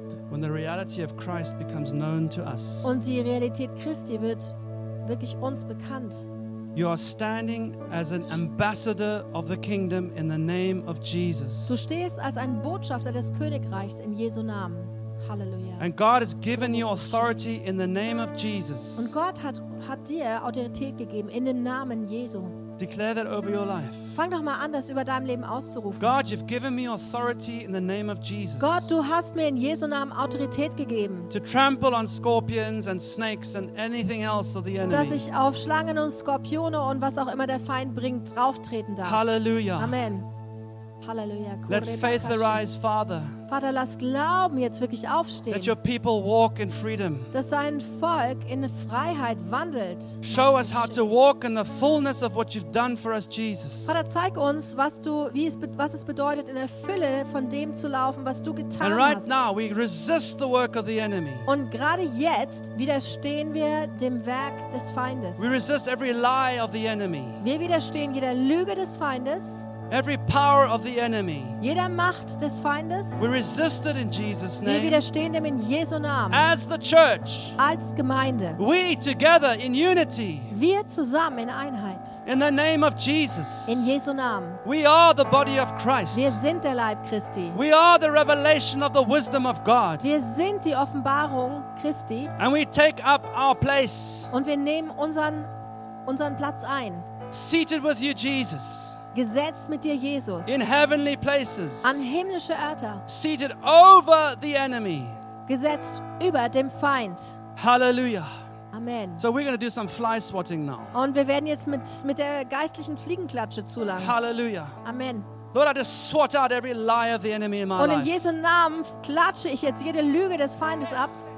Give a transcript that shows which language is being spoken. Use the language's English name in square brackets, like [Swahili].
[English] When the reality of Christ becomes known to us. [German] Und die Realität Christi wird wirklich uns bekannt. [English] You are standing as an ambassador of the kingdom in the name of Jesus. [German] Du stehst als ein Botschafter des Königreichs in Jesu Namen. Halleluja. [English] And God has given you authority in the name of Jesus. [German] Und Gott hat dir Autorität gegeben in dem Namen Jesu. [English] Declare that over your life. [German] Fang doch mal an, das über deinem Leben auszurufen. [English] God, you've given me authority in the name of Jesus. [German] Gott, du hast mir in Jesu Namen Autorität gegeben. [English] To trample on scorpions and snakes and anything else of the enemy. [German] Dass ich auf Schlangen und Skorpione und was auch immer der Feind bringt drauftreten darf. [English] Hallelujah. [German] Amen. Halleluja. [English] Let faith arise, Father. [German] Vater, lass Glauben jetzt wirklich aufstehen. [English] Let your people walk in freedom. [German] Dass dein Volk in Freiheit wandelt. [English] Show us how to walk in the fullness of what you've done for us, Jesus. [German] Vater, zeig uns, was es bedeutet, in der Fülle von dem zu laufen, was du getan hast. [English] And right now we resist the work of the enemy. [German] Und gerade jetzt widerstehen wir dem Werk des Feindes. [English] We resist every lie of the enemy. [German] Wir widerstehen jeder Lüge des Feindes. [English] Every power of the enemy. [German] Jeder Macht des Feindes. [English] We resist it in Jesus name. [German] Wir widerstehen dem in Jesu Namen. [English] As the church. [German] Als Gemeinde. [English] We together in unity. [German] Wir zusammen in Einheit. [English] In the name of Jesus. [German] In Jesu Namen. [English] We are the body of Christ. [German] Wir sind der Leib Christi. [English] We are the revelation of the wisdom of God. [German] Wir sind die Offenbarung Christi. [English] And we take up our place. [German] Und wir nehmen unseren Platz ein. [English] Seated with you, Jesus. [German] Gesetzt mit dir, Jesus. [English] In heavenly places. [German] An himmlische Orte. [English] Seated over the enemy. [German] Gesetzt über dem Feind. Halleluja. Amen. [English] So we're going to do some fly swatting now. [German] Und wir werden jetzt mit der geistlichen Fliegenklatsche zulangen. Halleluja. Amen. [English] Lord, I just swat out every lie of the enemy in my life. [German] Und in Jesu Namen klatsche ich jetzt jede Lüge des Feindes ab.